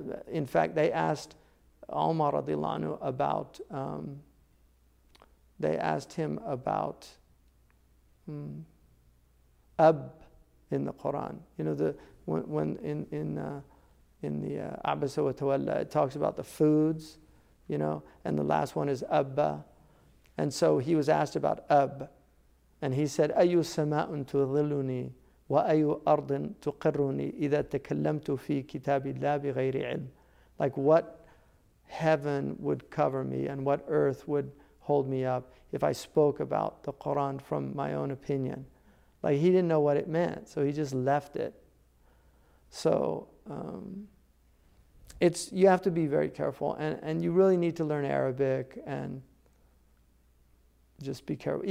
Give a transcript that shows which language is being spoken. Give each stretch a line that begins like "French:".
English: In fact, they asked Umar radiallahu anhu about, they asked him about Ab in the Quran. You know, when in the Abasa wa Tawalla, it talks about the foods, you know, and the last one is Abba. And so he was asked about Ab. And he said,
Arabic: أَيُّ سَمَاءٌ تُظِلُّنِي وَأَيُّ أَرْضٍ تُقِرُّنِي إِذَا تَكَلَّمْتُ فِي كِتَابِ اللَّهِ بِغَيْرِ عِلْمٍ.
English: Like, what heaven would cover me and what earth would hold me up if I spoke about the Quran from my own opinion? Like, he didn't know what it meant, so he just left it. So, it's, you have to be very careful, and you really need to learn Arabic, and just be careful.